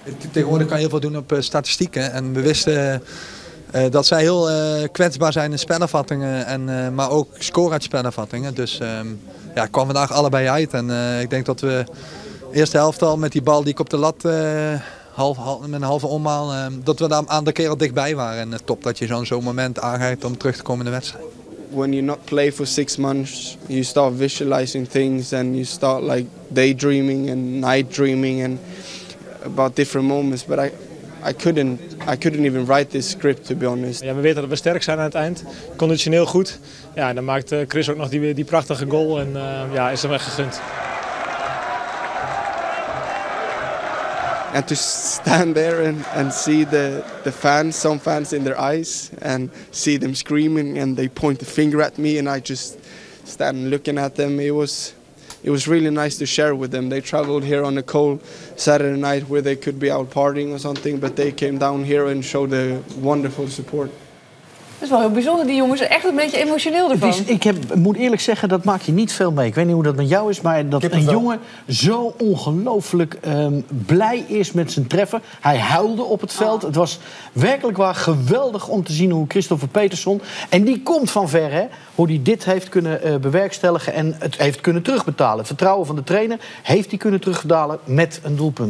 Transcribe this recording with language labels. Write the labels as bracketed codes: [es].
[nl] Tegenwoordig kan je heel veel doen op statistieken. En we wisten... dat zij heel kwetsbaar zijn in spelervattingen, maar ook score uit spelervattingen. Dus het kwam vandaag allebei uit. En ik denk dat we de eerste helft al met die bal die ik op de lat met een halve omhaal, dat we daar aan de kerel dichtbij waren. En top dat je zo'n moment aangrijpt om terug te komen in de wedstrijd. [en] When you not play for 6 months, you start visualizing things and you start like daydreaming and night dreaming and about different moments. But I couldn't even write this script, to be honest. [nl] Ja, we weten dat we sterk zijn aan het eind, conditioneel goed. Ja, dan maakt Chris ook nog die prachtige goal en ja, is hem echt gegund. [en] And to stand there and see the fans, some fans in their eyes, and see them screaming and they point the finger at me and I just stand looking at them. It was really nice to share with them. They traveled here on a cold Saturday night where they could be out partying or something, but they came down here and showed the wonderful support. [nl] Dat is wel heel bijzonder, die jongens. Echt een beetje emotioneel ervan. Ik moet eerlijk zeggen, dat maak je niet veel mee. Ik weet niet hoe dat met jou is, maar dat een jongen zo ongelooflijk blij is met zijn treffen. Hij huilde op het veld. Oh. Het was werkelijk waar geweldig om te zien hoe Christoffer Peterson, en die komt van ver, hè, hoe hij dit heeft kunnen bewerkstelligen en het heeft kunnen terugbetalen. Het vertrouwen van de trainer heeft hij kunnen terugbetalen met een doelpunt.